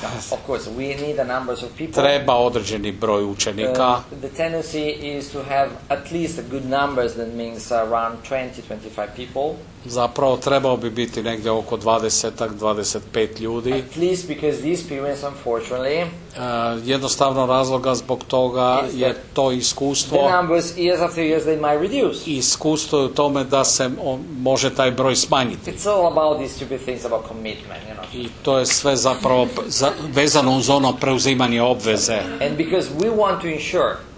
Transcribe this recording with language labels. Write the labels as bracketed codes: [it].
[en] Of course, we need a number of people. [hr] Treba određeni broj učenika. [en] The tendency is to have at least a good numbers, that means around 20-25 people. [hr] Zapravo trebao bi biti negdje oko 20-25 ljudi. [en] At least because these parents, unfortunately. [hr] Jednostavno razloga zbog toga je to iskustvo. [en] The numbers years after years they might reduce. [hr] Iskustvo je u tome da se može taj broj smanjiti. [en] It's all about these stupid things about commitment, you know. [hr] I to je sve zapravo vezano uz ono preuzimanje obveze. [en] And because we want to ensure.